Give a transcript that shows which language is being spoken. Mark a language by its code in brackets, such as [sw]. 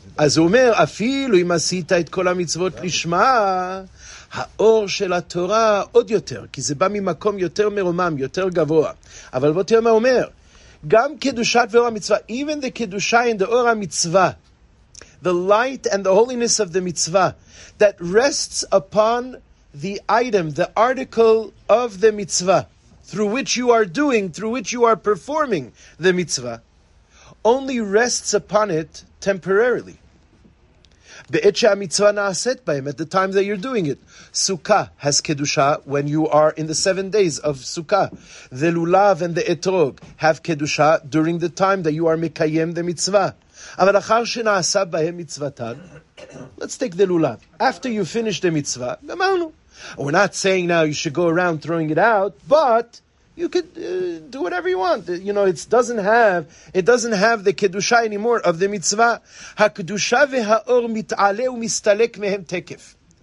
[he] אז הוא אומר, אפילו אם עשית את כל המצוות לשמה, האור של התורה עוד יותר, כי זה בא ממקום יותר מרומם, יותר גבוה. אבל בוא תראה מה הוא אומר. גם קדושת ואור המצווה, [en] even the kedusha and the or המצווה, the light and the holiness of the mitzvah that rests upon the item, the article of the mitzvah through which you are doing, through which you are performing the mitzvah, only rests upon it temporarily. [he] בעת שהמצווה נעשית בהם, [en] at the time that you're doing it. Sukkah has kedusha when you are in the 7 days of Sukkah. The lulav and the etrog have kedusha during the time that you are mekayem the mitzvah. [he] אבל אחר שנעשה בהם מצוותן, [en] let's take the lulav. After you finish the mitzvah, גמרנו. We're not saying now you should go around throwing it out, but you could do whatever you want. You know, it doesn't have the kedusha anymore of the mitzvah. [he] Hakedusha vehaor mit'ale u'mistalek mehem tekef.